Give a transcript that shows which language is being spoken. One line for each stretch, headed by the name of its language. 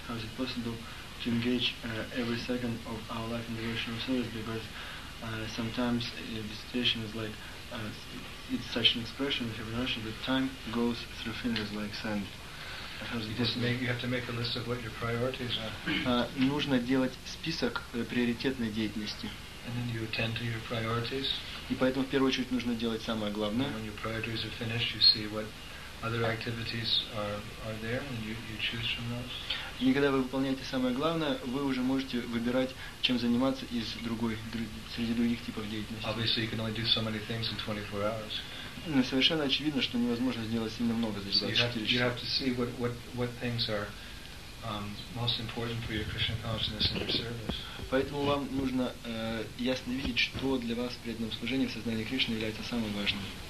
English: How is it possible to engage every second of our life in devotional service, because sometimes the situation is like, it's such an expression, if you notice, that time goes through fingers like sand. You have to make a list of what your priorities are.
Russian: Нужно делать список приоритетной деятельности.
English: And then you attend to your priorities.
Russian: И поэтому в первую очередь нужно делать самое главное.
English: When your priorities are finished, you see what other activities are there, and you choose from those.
Russian: И когда вы выполняете самое главное, вы уже можете выбирать, чем заниматься из другой, среди других типов деятельности.
English: Obviously, you can only do so many things in 24 hours.
Russian: Но совершенно очевидно, что невозможно сделать сильно много за 24 часа.
English: You have to see what things are most important for your Krishna consciousness and your service.
Russian: Поэтому вам нужно ясно видеть, что для вас в преданном служении в сознании Кришны является самым важным.